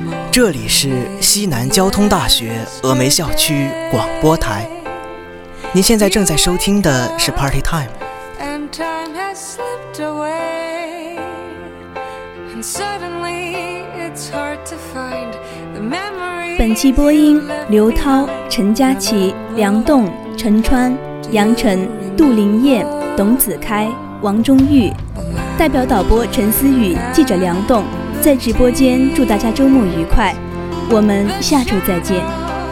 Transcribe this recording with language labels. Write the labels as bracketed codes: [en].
[zh] 这里是西南交通大学峨眉校区广播台，您现在正在收听的是 Party Time。 [en] And time has slipped away, and suddenly it's hard to find the memory. [zh] 本期播音刘涛、陈佳琪、梁栋、陈川、杨晨、杜林燕、董子开、王中玉，代表导播陈思雨，记者梁栋，在直播间祝大家周末愉快，我们下周再见。